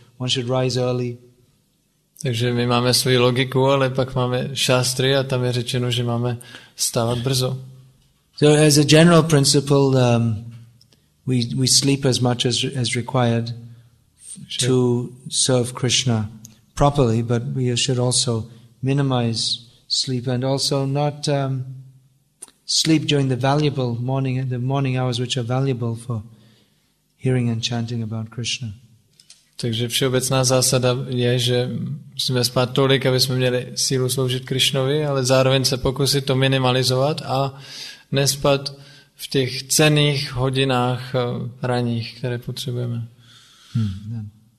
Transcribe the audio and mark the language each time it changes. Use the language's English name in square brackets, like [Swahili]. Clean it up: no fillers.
[English] One should rise early. [Czech] Takže my máme svou logiku, ale pak máme šástry a tam je řečeno, že máme stávat brzo. [English] So as a general principle, we sleep as much as required to serve Krishna properly, but we should also minimize sleep and also not sleep during the morning hours which are valuable for hearing and chanting about Krishna. [Czech] Takže všeobecná zásada je, že musíme spát tolik, aby jsme měli sílu sloužit Krišnovi, ale zároveň se pokusit to minimalizovat a nespat v těch cenných hodinách ranních, které potřebujeme. Hmm.